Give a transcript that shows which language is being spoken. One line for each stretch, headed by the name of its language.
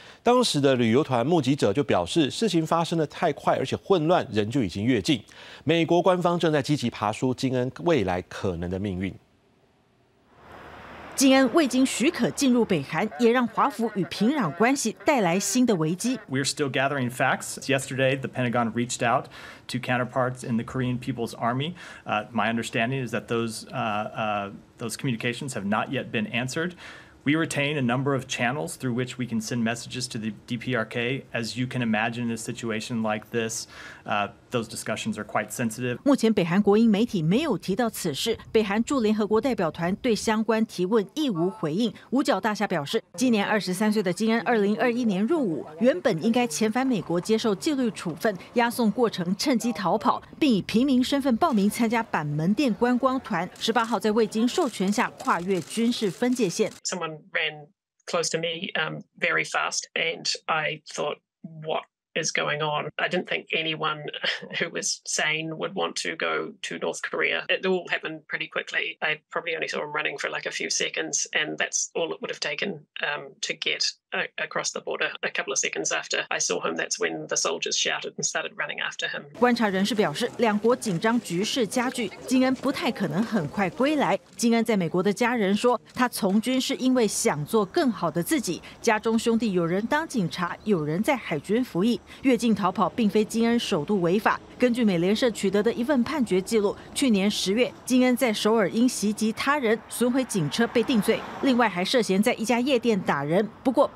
Chinese: 当时的旅游团目击者就表示，事情发生得太快，而且混乱，人就已经越境。美国官方正在积极爬梳金恩未来可能的命运。金恩未经许可进入北韩，也让华府与平壤关系带来新的危机。
English: We're still gathering facts. Yesterday, the Pentagon reached out to counterparts in the Korean People's Army. My understanding is that those communications have not yet been answered. We retain a number of channels through which we can send messages to the DPRK. As you can imagine, in a situation like this, those discussions are quite sensitive.
Chinese: 目前北韩国营媒体没有提到此事，北韩驻联合国代表团对相关提问亦无回应。五角大厦表示，今年二十三岁的金恩二零二一年入伍，原本应该遣返美国接受纪律处分，押送过程趁机逃跑，并以平民身份报名参加板门店观光团。十八号在未经授权下跨越军事分界线。
English: Someone ran close to me, very fast, and I thought, what is going on. I didn't think anyone who was sane would want to go to North Korea. It all happened pretty quickly. I probably only saw him running for like a few seconds, and that's all it would have taken to get across the border. A couple of seconds after I saw him, that's when the soldiers shouted and started running after him.
Chinese: 观察人士表示，两国紧张局势加剧，金恩不太可能很快归来。金恩在美国的家人说，他从军是因为想做更好的自己。家中兄弟有人当警察，有人在海军服役。越境逃跑并非金恩首度违法。根据美联社取得的一份判决记录，去年十月，金恩在首尔因袭击他人、损毁警车被定罪，另外还涉嫌在一家夜店打人。不过，